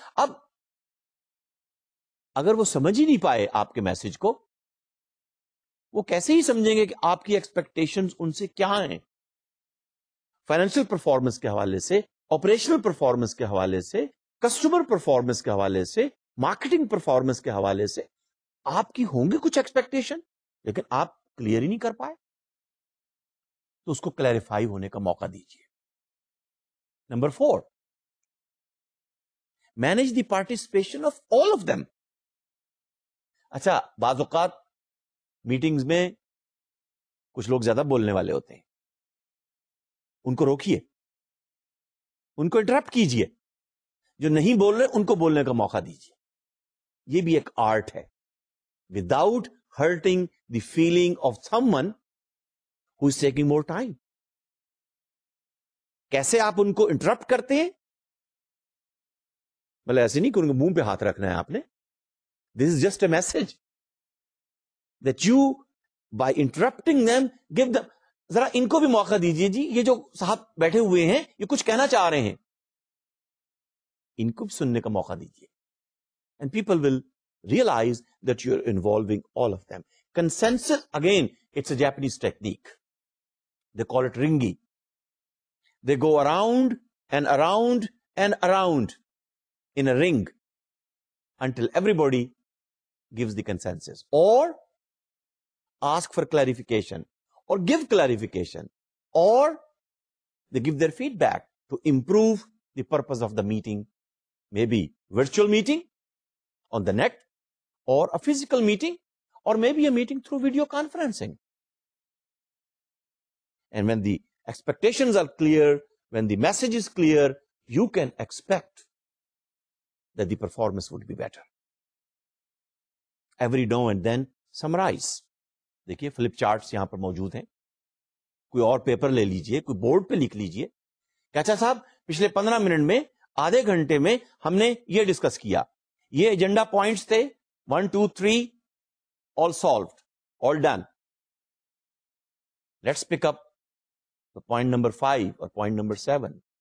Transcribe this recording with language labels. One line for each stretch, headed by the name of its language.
Urdu: اب اگر وہ سمجھ ہی نہیں پائے آپ کے میسج کو, وہ کیسے ہی سمجھیں گے کہ آپ کی ایکسپیکٹیشنز ان سے کیا ہیں, فائنینشل پرفارمنس کے حوالے سے, آپریشنل پرفارمنس کے حوالے سے, کسٹمر پرفارمنس کے حوالے سے, مارکیٹنگ پرفارمنس کے حوالے سے, آپ کی ہوں گی کچھ ایکسپیکٹیشن لیکن آپ کلیئر ہی نہیں کر پائے, تو اس کو کلیریفائی ہونے کا موقع دیجیے.
English: Number four, manage the participation of all of them.
Urdu: اچھا بعض اوقات میٹنگز میں کچھ لوگ زیادہ بولنے والے ہوتے ہیں, ان کو روکیے, ان کو انٹرپٹ کیجیے, جو نہیں بول رہے ان کو بولنے کا موقع دیجیے. یہ بھی ایک آرٹ ہے,
English: without hurting the feeling of someone who is taking more time.
Urdu: کیسے آپ ان کو انٹرپٹ کرتے ہیں, بھلے ایسے نہیں کہ ان کے منہ پہ ہاتھ رکھنا ہے آپ نے,
English: this is just a message that you by interrupting them give them,
Urdu: ذرا ان کو بھی موقع دیجئے, جی یہ جو صاحب بیٹھے ہوئے ہیں یہ کچھ کہنا چاہ رہے ہیں, ان کو بھی سننے کا موقع دیجئے,
English: And people will realize that you are involving all of them. Consensus again, it's a Japanese technique, they call it ringi. They go around and around and around in a ring until everybody gives the consensus or ask for clarification or give clarification or they give their feedback to improve the purpose of the meeting, maybe virtual meeting on the net or a physical meeting or maybe a meeting through video conferencing. And when the expectations are clear, when the message is clear, you can expect that the performance would be better. Every now and then, summarize.
Urdu: دیکھیے flip charts یہاں پر موجود ہیں, کوئی اور paper لے لیجئے, کوئی board پہ لکھ لیجئے کہ اچھا صاحب پچھلے 15 منٹ میں آدھے گھنٹے میں ہم نے یہ ڈسکس کیا, یہ ایجنڈا پوائنٹس تھے, 1, 2, 3
English: all solved, all done, let's pick up point number 5
Urdu: اور پوائنٹ نمبر 7.